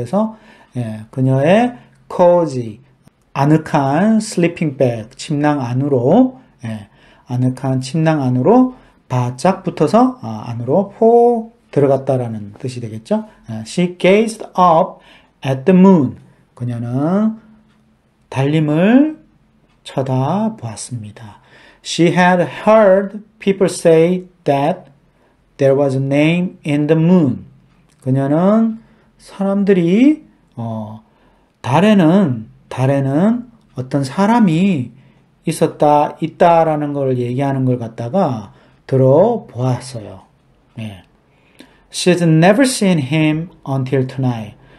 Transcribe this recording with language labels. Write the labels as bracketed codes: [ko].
[ko] 그래서 예, 그녀의 cozy, 아늑한 sleeping bag, 침낭 안으로, 예, 아늑한 침낭 안으로 바짝 붙어서 안으로 포 들어갔다라는 뜻이 되겠죠? [en] She gazed up at the moon. [ko] 그녀는 달림을 쳐다보았습니다. [en] She had heard people say that there was a name in the moon. [ko] 그녀는 사람들이 달에는 어떤 사람이 있다라는 걸 얘기하는 걸 갖다가 들어보았어요. [en] 예. She's never seen him until tonight.